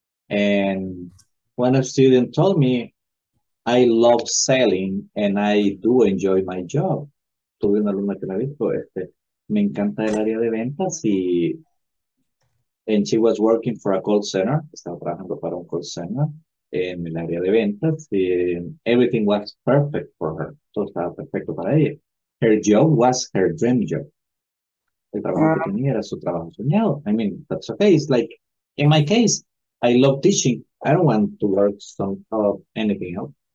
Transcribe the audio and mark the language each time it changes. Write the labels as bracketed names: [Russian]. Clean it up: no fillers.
[English] And when a student told me, I love selling and I do enjoy my job. [Spanish] Tuve una alumna que me dijo, me encanta el área de ventas y... [English] And she was working for a call center, [Spanish] estaba trabajando para un call center en el área de ventas [English] y everything was perfect for her. [Spanish] Todo estaba perfecto para ella. [English] Her job was her dream job. [Spanish] El trabajo que tenía era su trabajo soñado. [English] I mean, that's okay. It's like, in my case, I love teaching. I don't want to work on anything else.